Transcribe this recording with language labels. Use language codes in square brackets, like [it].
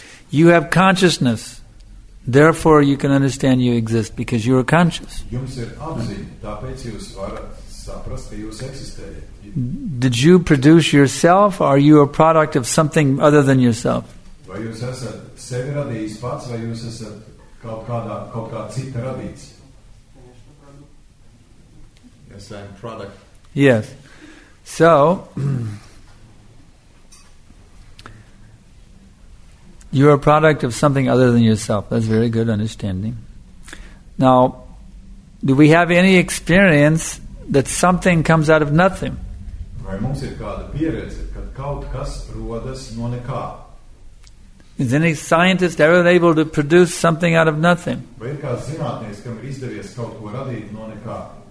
[en] You have consciousness. Therefore, you can understand you exist because you are conscious. [lv] Jums ir apziņa, tāpēc jūs varat saprast, ka jūs eksistējat. [en] Did you produce yourself, or are you a product of something other than yourself? [lv] Vai jūs esat sevi radījis pats, vai jūs esat kaut kā cita radīts? [en] Yes, I'm product. Yes. So... You are a product of something other than yourself. That's very good understanding. Now, do we have any experience that something comes out of nothing? [lv] Vai mums ir kāda pieredze, kad kaut kas rodas no nekā? [en] Is any scientist ever able to produce something out of nothing? [lv] Vai ir kāds zinātnieks, kam ir izdevies kaut ko radīt no nekā?